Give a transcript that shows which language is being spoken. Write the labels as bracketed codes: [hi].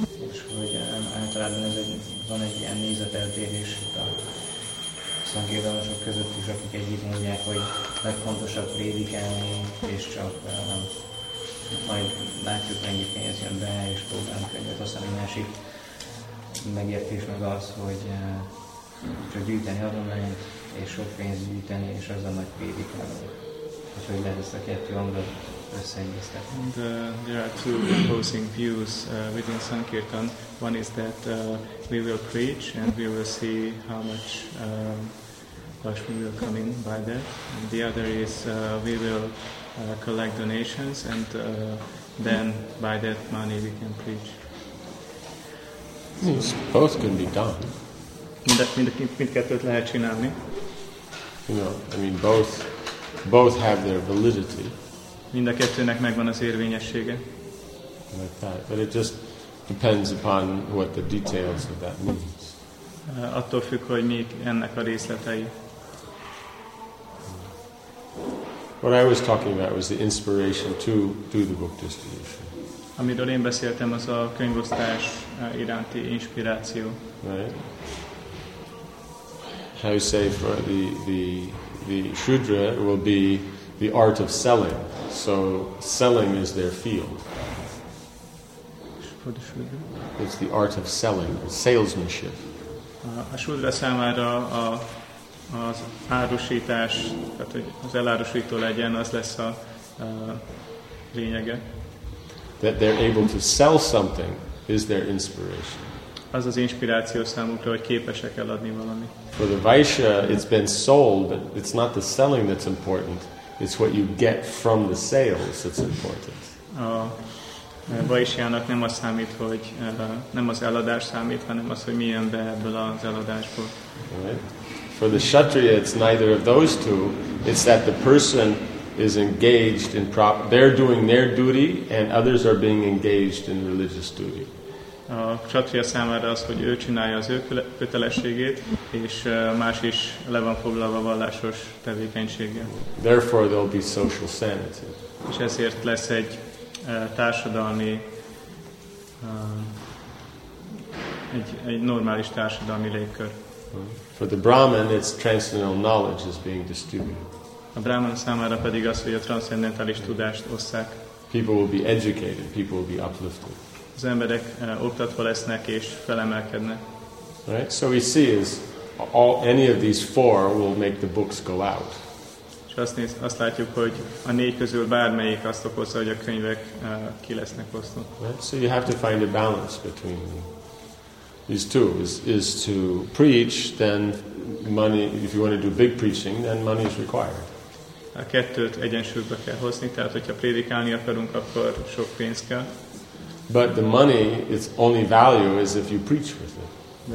[hu] És hogy általában ez van egy ilyen nézeteltérés a szangédalosok között is, akik együtt mondják, hogy legfontosabb prédikálni, és csak majd látjuk, mennyi pénz jön be, és próbálunk egyet. Aztán egy másik megértés meg az, hogy csak gyűjteni adományt, és sok pénzt gyűjteni, és az a nagy prédikáló. Úgyhogy lehet ezt a kettő angolat összeegyeztetni. [en] And there are two opposing views within Sankirtan. One is that we will preach, and we will see how much Lakshmi will come in by that. And the other is we will collect donations, and then by that money we can preach. Yes, both can be done. [hu] Mindkettőt lehet csinálni. [en] You know, I mean, both have their validity. [hu] Mind a kettőnek megvan az érvényessége. [en] Like that. But it just depends upon what the details of that means. [hu] Attól függ, hogy mik ennek a részletei. [en] What I was talking about was the inspiration to do the book distribution. [hu] Amiről én beszéltem, az a könyvosztás iránti inspiráció. [en] Right. How you say for the Shudra will be the art of selling. So selling is their field. For the Shudra? It's the art of selling, salesmanship. [hu] A Shudra számára az árusítás, tehát hogy az elárusító legyen, az lesz a lényege. [en] That they're able to sell something is their inspiration. [hu] Az az inspiráció számukra, hogy képesek eladni valami. [en] For the Vaishya, it's been sold, but it's not the selling that's important. It's what you get from the sales that's important. [hu] A Vaishyának nem az számít, hogy nem az eladás számít, hanem az, hogy milyen be ebből az eladásból. [en] Right. For the Kshatriya, it's neither of those two. It's that the person is engaged in they're doing their duty, and others are being engaged in religious duty. [hu] A kshatriya számára az, hogy ő csinálja az ő kötelességét, és más is le van foglalva vallásos tevékenységgel. [en] Therefore there'll be social sanity. [hu] És ezért lesz egy társadalmi egy normális társadalmi légkör. [en] For the Brahman, its transcendental knowledge is being distributed. [hu] A Brahman számára pedig az, hogy a transzcendentális tudást osszák. [en] People will be educated, people will be uplifted. [hu] Az emberek oktatva lesznek és felemelkednek. [en] Right? So we see is all any of these four will make the books go out. [hu] És azt látjuk, hogy a négy közül bármelyik azt okozza, hogy a könyvek ki lesznek osztva. [en] Right? So you have to find a balance between these two. Is to preach, then money, if you want to do big preaching, then money is required. [hu] A kettőt egyensúlyba kell hozni, tehát hogyha prédikálni akarunk, akkor sok pénz kell. [en] But the money, its only value is if you preach with it.